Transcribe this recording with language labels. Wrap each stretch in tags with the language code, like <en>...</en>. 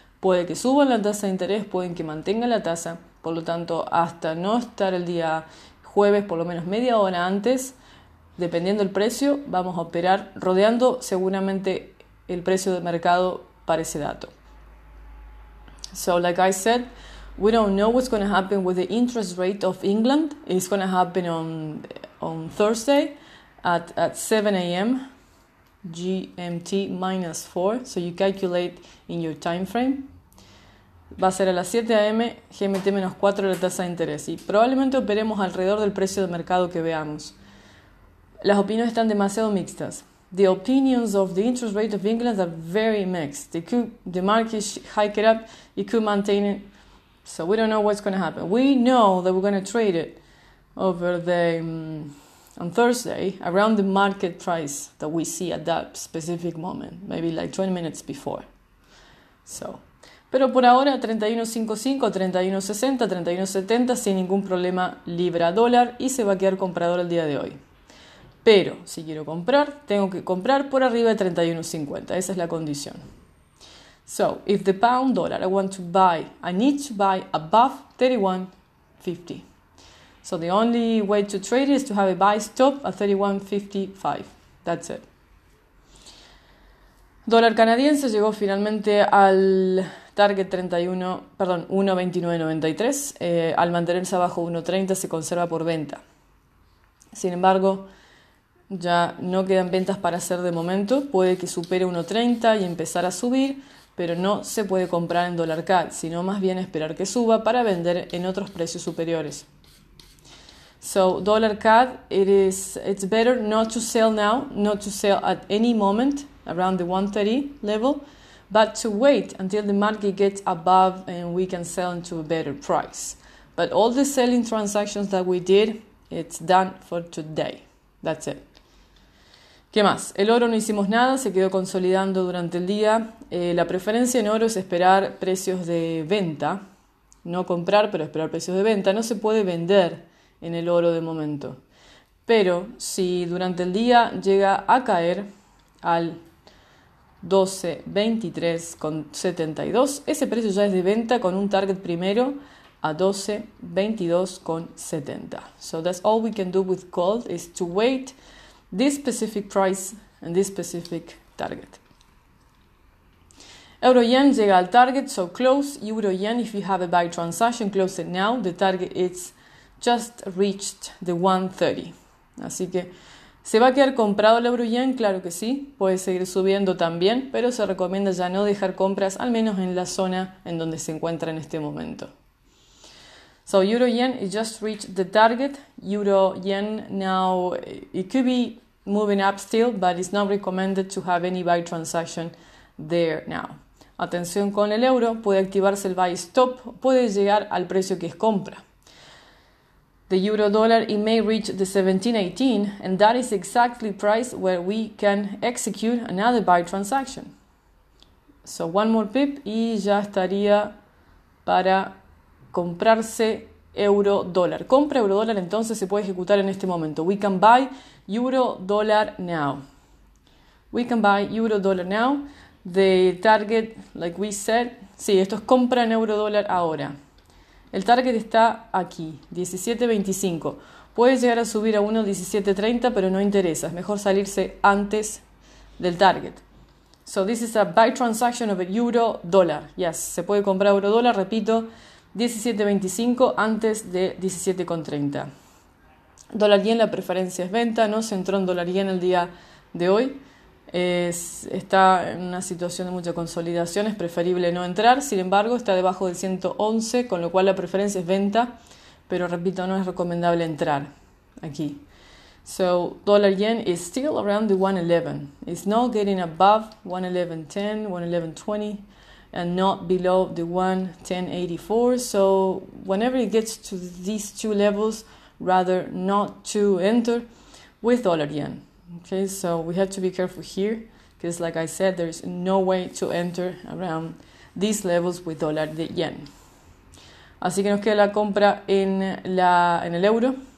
<es>Puede que suban la tasa de interés, pueden que mantengan la tasa, por lo tanto, hasta no estar el día jueves, por lo menos media hora antes, dependiendo del precio, vamos a operar rodeando seguramente el precio de mercado para ese dato.</es> <en>So, like I said, we don't know what's going to happen with the interest rate of England. It's going to happen on Thursday at 7 a.m. GMT minus 4. So, you calculate in your time frame.</en> <es>Va a ser a las 7 a.m. GMT menos 4 la tasa de interés. Y probablemente operemos alrededor del precio de mercado que veamos. Las opiniones están demasiado mixtas.</es> <en>The opinions of the interest rate of England are very mixed. The market hike it up, it could maintain it. So we don't know what's going to happen. We know that we're going to trade it over the on Thursday around the market price that we see at that specific moment, maybe like 20 minutes before.</en> <es>So, pero por ahora 31.55, 31.60, 31.70 sin ningún problema libra dólar y se va a quedar comprador el día de hoy. Pero si quiero comprar, tengo que comprar por arriba de 31.50. Esa es la condición.</es> <en>So, if the pound dollar I want to buy, I need to buy above 31.50. So, the only way to trade is to have a buy stop at 31.55. That's it.</en> <es>Dólar canadiense llegó finalmente al target 31, perdón, 1.29.93. Al mantenerse abajo 1.30 se conserva por venta. Sin embargo, ya no quedan ventas para hacer de momento, puede que supere 1.30 y empezar a subir, pero no se puede comprar en dólar CAD, sino más bien esperar que suba para vender en otros precios superiores.</es> <en>So, dólar CAD, it's better not to sell now, not to sell at any moment around the 1.30 level, but to wait until the market gets above and we can sell into a better price. But all the selling transactions that we did, it's done for today. That's it.</en> <es>¿Qué más? El oro no hicimos nada, se quedó consolidando durante el día. La preferencia en oro es esperar precios de venta. No comprar, pero esperar precios de venta. No se puede vender en el oro de momento. Pero si durante el día llega a caer al 12.23,72, ese precio ya es de venta con un target primero a 12.22,70.</es> <en>So that's all we can do with gold is to wait. This specific price and this specific target.</en> <es>Euro yen llega al target,</es> <en>so close euro yen. If you have a buy transaction, close it now. The target is just reached the 130.</en> <es>Así que se va a quedar comprado el euro yen, claro que sí, puede seguir subiendo también, pero se recomienda ya no dejar compras, al menos en la zona en donde se encuentra en este momento.</es> <en>So euro yen, it just reached the target. Euro yen now, it could be moving up still, but it's not recommended to have any buy transaction there now.</en> <es>Atención con el euro, puede activarse el buy stop, puede llegar al precio que es compra.</es> <en>The euro dollar, it may reach the 17.18, and that is exactly price where we can execute another buy transaction. So one more pip</en> <es>y ya estaría para comprarse euro dólar. Compra euro dólar entonces se puede ejecutar en este momento.</es> <en>We can buy euro dólar now. We can buy euro dólar now. The target, like we said,</en> <es>sí, esto es compra en euro dólar ahora. El target está aquí, 17.25. Puede llegar a subir a 1.17.30, pero no interesa. Es mejor salirse antes del target.</es> <en>So this is a buy transaction of a euro dólar.</en> <es>Yes, se puede comprar euro dólar, repito. 17.25 antes de 17.30. Dólar yen, la preferencia es venta, no se entró en dólar yen el día de hoy. Está en una situación de mucha consolidación, es preferible no entrar. Sin embargo, está debajo del 111, con lo cual la preferencia es venta, pero repito, no es recomendable entrar aquí.</es> <en>So dollar yen is still around the 111. It's not getting above 111.10, 111.20, and not below the 110.84. So whenever it gets to these two levels, rather not to enter with dollar yen. Okay, so we have to be careful here because, like I said, there's no way to enter around these levels with dollar yen.</en> <es>Así que nos queda la compra en el euro.</es>